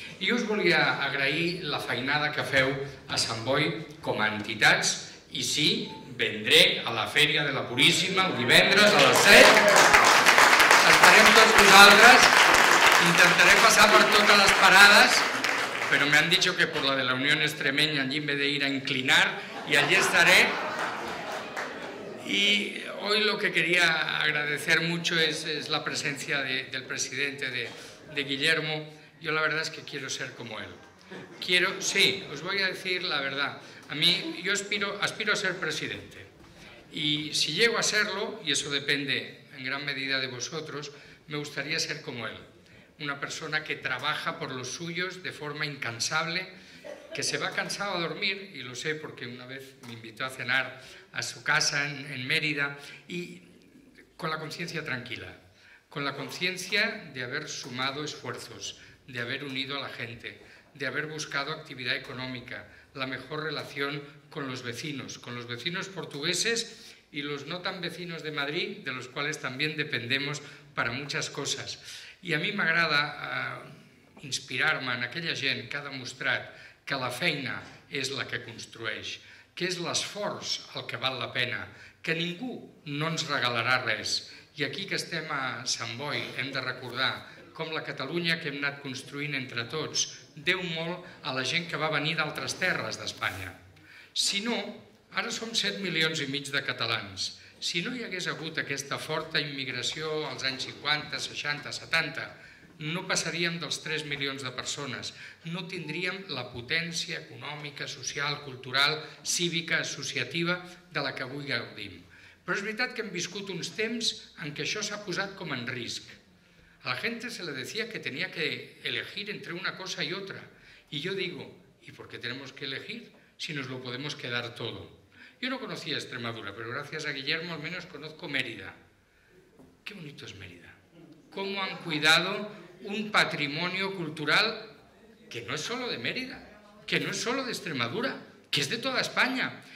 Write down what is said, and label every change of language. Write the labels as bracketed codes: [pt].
[ca] I us volia agrair la feinada que feu a Sant Boi com a entitats, i sí, vendré a la Fèria de la Puríssima el divendres a les 7. Estarem tots vosaltres, intentaré passar per totes les parades, però m'han dit que per la de la Unió Extremeña allí em ve d'anar a inclinar, i allí estaré. [es] I hoy lo que quería agradecer mucho es la presencia del presidente de Guillermo. Yo la verdad es que quiero ser como él. Quiero, sí, os voy a decir la verdad. A mí, yo aspiro a ser presidente, y si llego a serlo, y eso depende en gran medida de vosotros, me gustaría ser como él, una persona que trabaja por los suyos de forma incansable, que se va cansado a dormir, y lo sé porque una vez me invitó a cenar a su casa en Mérida, y con la conciencia tranquila, con la conciencia de haber sumado esfuerzos, de haber unido a la gente, de haber buscado actividad económica, la mejor relación con los vecinos portugueses y los no tan vecinos de Madrid, de los cuales también dependemos para muchas cosas. Y a mí [ca] m'agrada inspirar-me en aquella gent que ha demostrat que la feina és la que construeix, que és l'esforç el que val la pena, que ningú no ens regalarà res. I aquí que estem a Sant Boi hem de recordar com la Catalunya que hem anat construint entre tots deu molt a la gent que va venir d'altres terres d'Espanya. Si no, ara som 7 milions i mig de catalans. Si no hi hagués hagut aquesta forta immigració als anys 50, 60, 70, no passaríem dels 3 milions de persones, no tindríem la potència econòmica, social, cultural, cívica, associativa de la que avui gaudim. Però és veritat que hem viscut uns temps en què això s'ha posat com en risc. [es] A la gente se le decía que tenía que elegir entre una cosa y otra. Y yo digo, ¿y por qué tenemos que elegir si nos lo podemos quedar todo? Yo no conocía Extremadura, pero gracias a Guillermo al menos conozco Mérida. Qué bonito es Mérida. Cómo han cuidado un patrimonio cultural que no es solo de Mérida, que no es solo de Extremadura, que es de toda España.